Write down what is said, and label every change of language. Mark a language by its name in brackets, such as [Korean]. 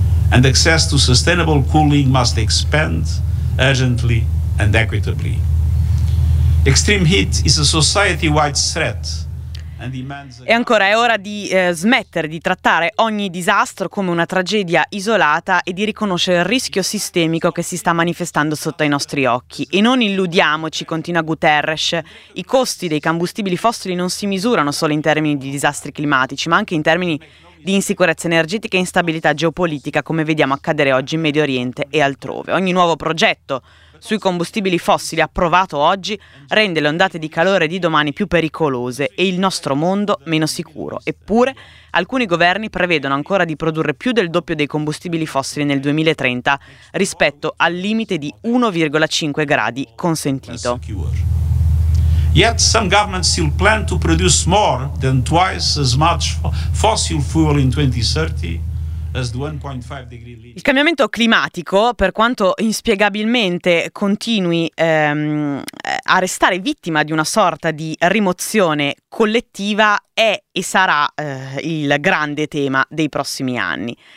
[English] And access to sustainable cooling must expand urgently and equitably. Extreme heat is a society-wide threat. [Italian] E ancora, è ora di smettere di trattare ogni disastro come una tragedia isolata e di riconoscere il rischio sistemico che si sta manifestando sotto ai nostri occhi. E non illudiamoci, continua Guterres, i costi dei combustibili fossili non si misurano solo in termini di disastri climatici, ma anche in termini di insicurezza energetica e instabilità geopolitica, come vediamo accadere oggi in Medio Oriente e altrove. Ogni nuovo progetto sui combustibili fossili approvato oggi rende le ondate di calore di domani più pericolose e il nostro mondo meno sicuro. Eppure, alcuni governi prevedono ancora di produrre più del doppio dei combustibili fossili nel 2030 rispetto al limite di 1,5 gradi consentito. [English] Yet some governments still plan to produce more than twice as much fossil fuel in 2030. [Italian] Il cambiamento climatico, per quanto inspiegabilmente continui a restare vittima di una sorta di rimozione collettiva, è e sarà il grande tema dei prossimi anni.